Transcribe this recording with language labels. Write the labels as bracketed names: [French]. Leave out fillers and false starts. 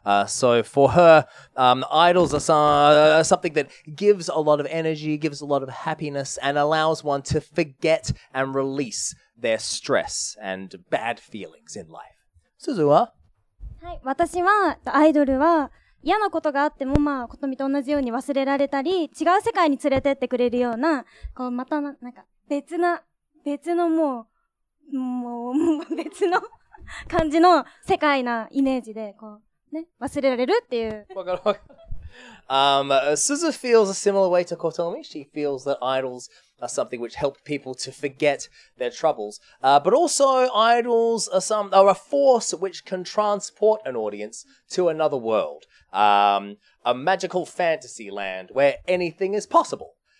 [English] So for her, idols are something that gives a lot of energy, gives a lot of happiness, and allows one to forget and release their stress and bad feelings in life. [Japanese] Suzu は? はい、私は、アイドルは嫌なことがあっても、まあ、Kotomi と同じように忘れられたり、違う世界に連れてってくれるような、こう、またな、なんか、別のもう、もう別の感じの世界なイメージでこうね忘れられるっていう。わかるわかる。 [English] Suzu feels a similar way to Kotomi. She feels that idols are something which help people to forget their troubles. But also idols are a force which can transport an audience to another world. A magical fantasy land where anything is possible.